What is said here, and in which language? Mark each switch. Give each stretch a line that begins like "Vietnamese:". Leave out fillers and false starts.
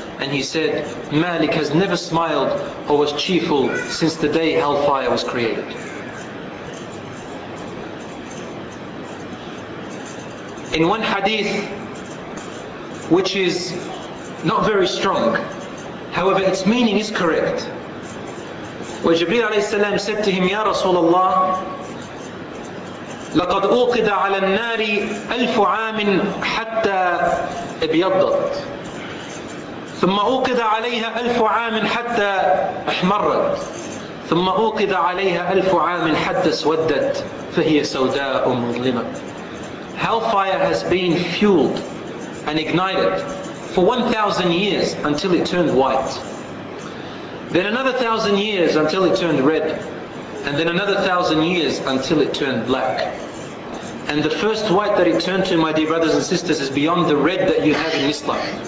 English: And he said, Malik has never smiled or was cheerful since the day hellfire was created. in one hadith which is not very strong. However, its meaning is correct. When Jibreel alayhi salam said to him, Ya Rasulullah,
Arabic: لَقَدْ أُوْقِدَ عَلَى النَّارِ أَلْفُ عَامٍ حَتَّى أَبْيَضَّتْ ثُمَّ أُوْقِدَ عَلَيْهَا أَلْفُ عَامٍ حَتَّى أَحْمَرَّتْ ثُمَّ أُوْقِدَ عَلَيْهَا أَلْفُ عَامٍ حَتَّى أَسْوَدَّتْ فَهِيَ سَوْدَاءُ مُظْلِمَةٌ.
English: Hellfire has been fueled and ignited for 1,000 years until it turned white. Then another 1,000 years until it turned red. And then another 1,000 years until it turned black. And the first white that it turned to, my dear brothers and sisters, is beyond the red that you have in Islam.